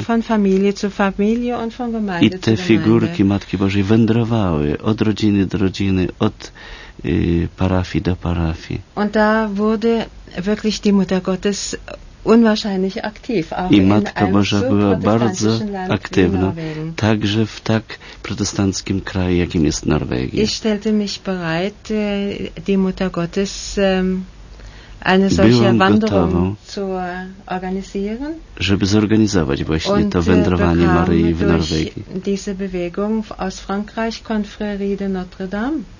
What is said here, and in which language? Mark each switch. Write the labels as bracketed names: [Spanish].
[German] von Familie zu Familie und von Gemeinde zu Gemeinde. [Polish] I te figurki Matki Bożej wędrowały od rodziny do rodziny, od parafii do parafii. [German] Und da wurde wirklich die Mutter Gottes unwahrscheinlich aktiv, auch [Polish] i Matka Boża była bardzo aktywna także w tak protestanckim kraju, jakim jest Norwegia. [German] Ich stellte mich bereit, die Mutter Gottes eine solche Wanderung zu organisieren, [Polish] żeby zorganizować właśnie to wędrowanie Maryi w Norwegii. [German] Diese Bewegung aus Frankreich, Confrérie de Notre-Dame.